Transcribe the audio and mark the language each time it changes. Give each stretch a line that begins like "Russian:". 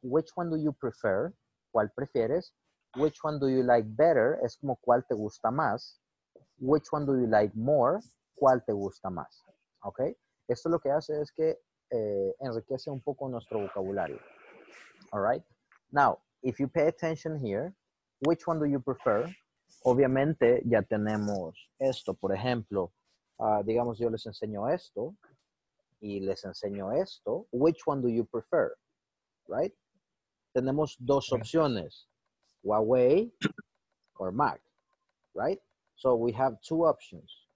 English: Which one do you prefer?
Spanish: ¿Cuál prefieres?
English: Which one do you like better?
Spanish: Es como ¿cuál te gusta más?
English: Which one do you like more?
Spanish: ¿Cuál te gusta más? Okay. Esto lo que hace es que enriquece un poco nuestro vocabulario.
English: All right. Now, if you pay attention here, which one do you prefer?
Spanish: Obviamente ya tenemos esto. Por ejemplo, digamos yo les enseño esto y les enseño esto.
English: Which one do you prefer? Right?
Spanish: Tenemos dos opciones.
English: Huawei or Mac. Right? So we have two options.